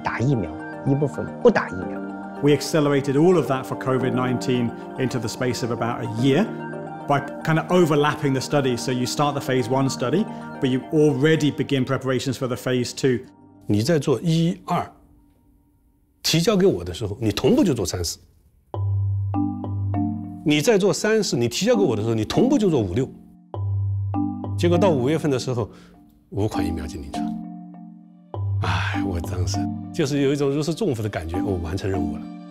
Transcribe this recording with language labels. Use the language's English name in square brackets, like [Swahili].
[Chinese] 完成一二期就是安全性、免疫原性的这个研究之后，剂量选择之后，要去做一个大规模的三期临床。三期临床是什么意思？就是要把人呢，就是要在一个高发病的地区，把这个人群分成两部分，一部分打疫苗，一部分不打疫苗。 [English] We accelerated all of that for COVID-19 into the space of about a year by kind of overlapping the studies. So you start the phase one study, but you already begin preparations for the phase two. [Chinese] 你在做一二，提交给我的时候，你同步就做三四。你在做三四，你提交给我的时候，你同步就做五六。结果到五月份的时候，五款疫苗就临床。哎，我当时就是有一种如释重负的感觉，我完成任务了。